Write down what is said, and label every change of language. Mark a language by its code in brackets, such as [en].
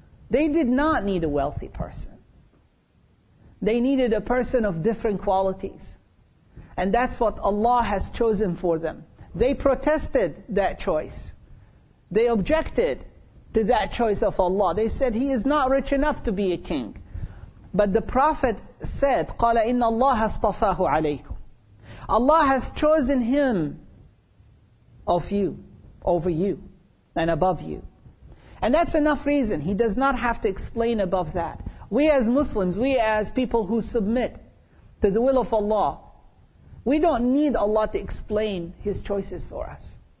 [en] They did not need a wealthy person. They needed a person of different qualities. And that's what Allah has chosen for them. They protested that choice. They objected to that choice of Allah. They said, he is not rich enough to be a king. But the Prophet said, [ar] قَالَ إِنَّ اللَّهَ اصْطَفَاهُ عَلَيْكُمْ. [en] Allah has chosen him of you, over you, and above you. And that's enough reason. He does not have to explain above that. We as Muslims, we as people who submit to the will of Allah, we don't need Allah to explain his choices for us.